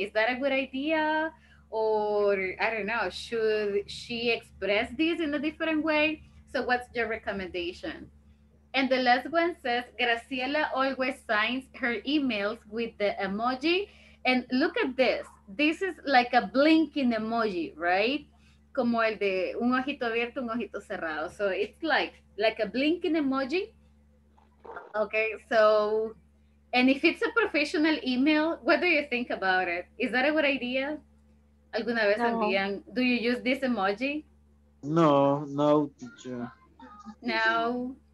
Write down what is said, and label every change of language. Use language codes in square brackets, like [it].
[en] Is that a good idea? Or I don't know, should she express this in a different way? So what's your recommendation? And the last one says, Graciela always signs her emails with the emoji. And look at this. This is like a blinking emoji, right? [es] Como el de un ojito abierto, un ojito cerrado. [en] So it's like a blinking emoji. Okay, so, and if it's a professional email, what do you think about it? Is that a good idea? [es] ¿Alguna vez no. envían? [en] Do you use this emoji? No, no, teacher. No?